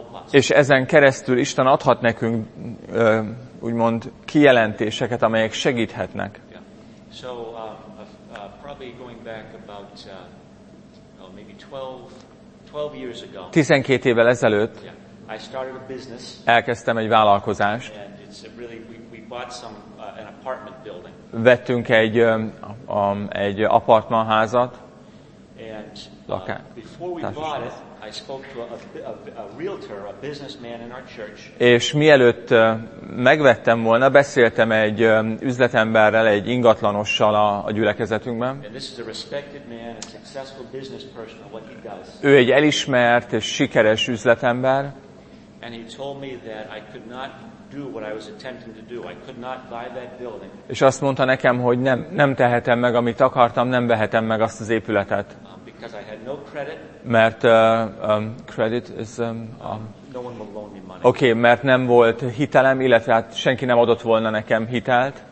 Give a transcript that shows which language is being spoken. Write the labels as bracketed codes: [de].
[hu] És ezen keresztül Isten adhat nekünk úgymond kijelentéseket, amelyek segíthetnek. [en] So probably going back about maybe 12 years ago. [hu] 12 évvel ezelőtt. [en] I started a business. [hu] Elkezdtem egy vállalkozást. [en] And it's really we bought some an apartment building. [hu] Vettünk egy egy apartmanházat. [en] And before we bought it, I spoke to a realtor, a businessman in our church. [hu] És mielőtt megvettem volna, beszéltem egy üzletemberrel, egy ingatlanossal a gyülekezetünkben. [en] And this is a respected man, a successful business person, what he does. [hu] Ő egy elismert és sikeres üzletember. [en] And he told me that I could not do what I was attempting to do. I could not buy that building. [hu] És azt mondta nekem, hogy nem tehetem meg, amit akartam, nem vehetem meg azt az épületet. [en] Because I had no credit. [hu] Mert credit is [en] no one will loan me money. [hu] Okay, mert nem volt hitelem, illetve hát senki nem adott volna nekem hitelt.